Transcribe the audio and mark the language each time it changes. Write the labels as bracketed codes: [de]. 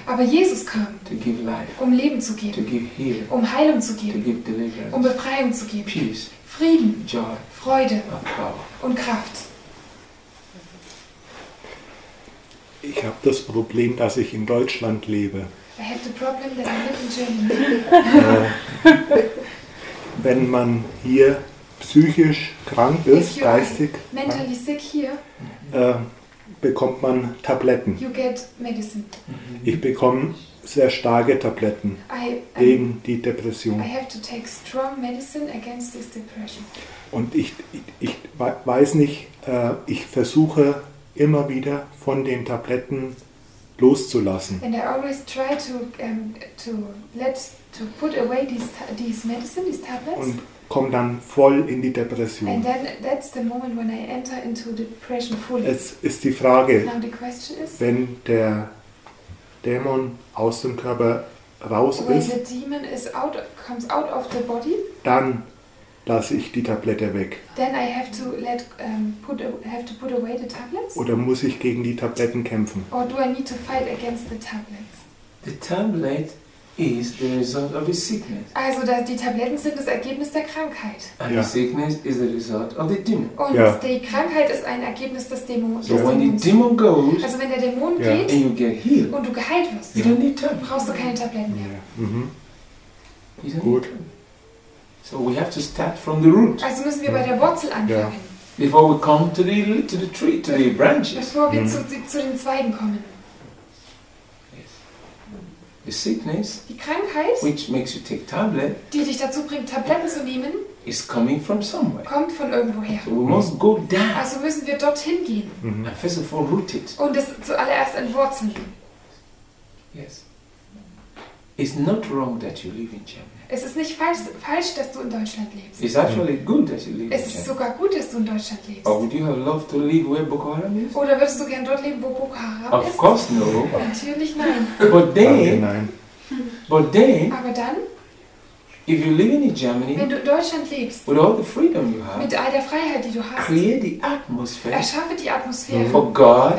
[de] aber Jesus kam, [en] to give life, [de] um Leben zu geben, [en] to give healing, [de] um Heilung zu geben, [en] to give deliverance, [de] um Befreiung zu geben, [en] peace, [de] Frieden, [en] joy, [de] Freude [en] and power. [de] Und Kraft. Ich habe das Problem, dass ich in Deutschland lebe. [en] I have the problem that I live in Germany. [de] Wenn man hier psychisch krank ist, geistig, [en] mentally sick here, [de] bekommt man Tabletten. [en] You get medicine. [de] Ich bekomme sehr starke Tabletten gegen die Depression. [en] I have to take strong medicine against this depression. [de] Und ich weiß nicht, ich versuche immer wieder von den Tabletten loszulassen. [en] And I always try to put away these medicine, these tablets. [de] Und komme dann voll in die Depression. [en] And then that's the moment when I enter into depression fully. [de] Es ist die Frage, [en] now the question is, [de] wenn der Dämon aus dem Körper raus [en] when [de] ist, [en] the demon is out, comes out of the body, [de] dann lasse ich die Tablette weg. [en] Then I have to put away the tablets. [de] Oder muss ich gegen die Tabletten kämpfen? [en] Or do I need to fight against the tablets? The tablet is the result of the sickness. [de] Also die Tabletten sind das Ergebnis der Krankheit. [en] And the sickness is the result of the demon. [de] Und die Krankheit ist ein Ergebnis des Dämons. [en] So when the demon goes, [de] also wenn der Dämon geht, [en] and you get healed, [de] und du geheilt wirst, [en] you don't need tablets. [de] Brauchst du keine Tabletten mehr. Gut. [en] So we have to start from the root. [de] Also müssen wir bei der Wurzel anfangen. Yeah. [en] Before we come to the tree, to the branches. [de] Bevor wir zu den Zweigen kommen. [en] Yes. The sickness, [de] die Krankheit, [en] which makes you take tablet, [de] die dich dazu bringt, Tabletten zu nehmen, [en] is coming from somewhere. [de] Kommt von irgendwoher. [en] So we must go down. [de] Also müssen wir dorthin gehen. [en] And first of all, root it. [de] Und es zuallererst entwurzeln. [en] Yes. It's not wrong that you live in Germany. [de] Es ist nicht falsch, dass du in Deutschland lebst. [en] It's actually good that you live in Deutschland. [de] Es ist sogar gut, dass du in Deutschland lebst. [en] Or would you have loved to live where Boko Haram is? [de] Oder würdest du gern dort leben, wo Boko Haram [en] of [de] ist? [en] Of course no. [de] Natürlich nein. [en] But then, [de] nein. [en] But then, [de] aber dann, [en] if you live in Germany, [de] wenn du in Deutschland lebst, [en] with all the freedom you have, [de] mit all der Freiheit, die du hast, [en] create the atmosphere, [de] erschaffe die Atmosphäre [en] for God,